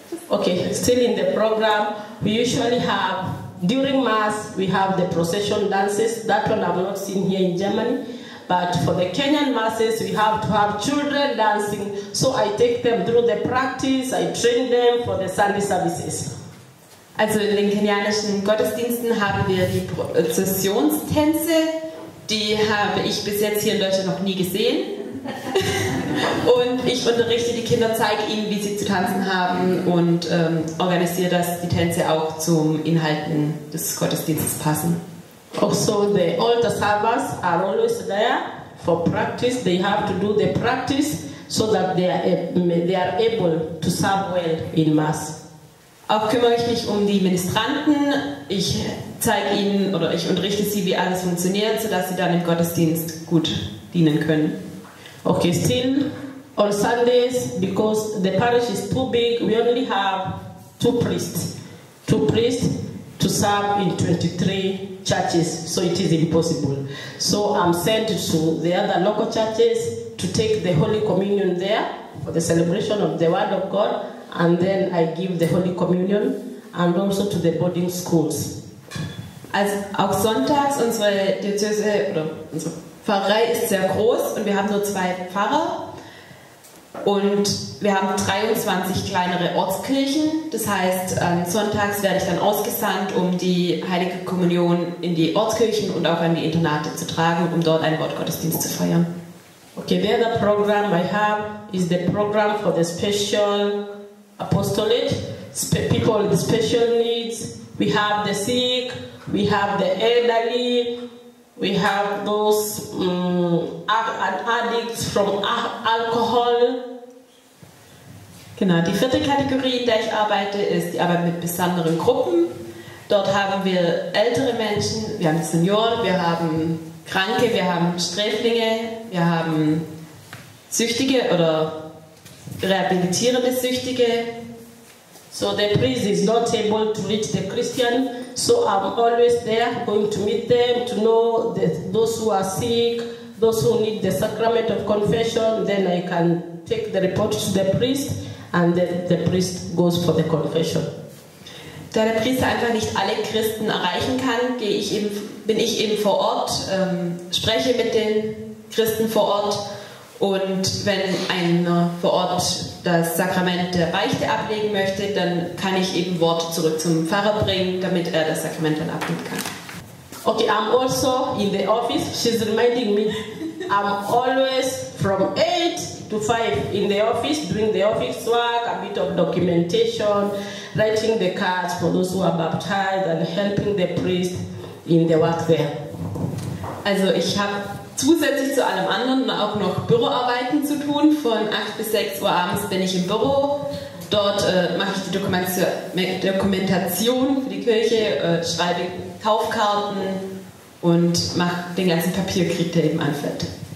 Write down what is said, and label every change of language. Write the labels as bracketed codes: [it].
[en] Okay, still in the program. We usually have, during Mass, we have the procession dances. That one I've not seen here in Germany. But for the Kenyan Masses, we have to have children dancing. So I take them through the practice, I train them for the Sunday services. [de] Also in den kenianischen Gottesdiensten haben wir die Prozessionstänze. Die habe ich bis jetzt hier in Deutschland noch nie gesehen. Und ich unterrichte die Kinder, zeige ihnen, wie sie zu tanzen haben und organisiere, dass die Tänze auch zum Inhalten des Gottesdienstes passen. [en] Also the altar servers are always there for practice. They have to do the practice so that they are able to serve well in Mass. [de] Auch kümmere ich mich um die Ministranten. Ich zeige ihnen oder ich unterrichte sie, wie alles funktioniert, sodass sie dann im Gottesdienst gut dienen können. [en] Okay, still on Sundays, because the parish is too big, we only have two priests. Two priests to serve in 23 churches, so it is impossible. So I'm sent to the other local churches to take the Holy Communion there for the celebration of the Word of God, and then I give the Holy Communion and also to the boarding schools. [de] Also auch sonntags, unsere Diözese oder unsere Pfarrei ist sehr groß und wir haben nur zwei Pfarrer und wir haben 23 kleinere Ortskirchen. Das heißt, sonntags werde ich dann ausgesandt, um die Heilige Kommunion in die Ortskirchen und auch an die Internate zu tragen, um dort einen Wortgottesdienst zu feiern. [en] Okay, the other program I have is the program for the special apostolate, people with special needs. We have the sick, we have the elderly, we have those addicts from alcohol. [de] Genau, die vierte Kategorie, in der ich arbeite, ist die Arbeit mit besonderen Gruppen. Dort haben wir ältere Menschen, wir haben Senioren, wir haben Kranke, wir haben Sträflinge, wir haben Süchtige oder rehabilitierende Süchtige. [en] So the priest is not able to reach the Christian, so I'm always there going to meet them to know that those who are sick, those who need the sacrament of confession, then I can take the report to the priest and then the priest goes for the confession. [de] Da der Priester einfach nicht alle Christen erreichen kann, bin ich eben vor Ort, spreche mit den Christen vor Ort. Und wenn einer vor Ort das Sakrament der Beichte ablegen möchte, dann kann ich eben Wort zurück zum Pfarrer bringen, damit er das Sakrament dann ablegen kann. [en] Okay, I'm also in the office. She's reminding me, I'm always from 8 to 5 in the office, doing the office work, a bit of documentation, writing the cards for those who are baptized and helping the priest in the work there. [de] Also ich habe zusätzlich zu allem anderen auch noch Büroarbeiten zu tun. Von 8 bis 6 Uhr abends bin ich im Büro. Dort mache ich die Dokumentation für die Kirche, schreibe Kaufkarten und mache den ganzen Papierkrieg, der eben anfällt.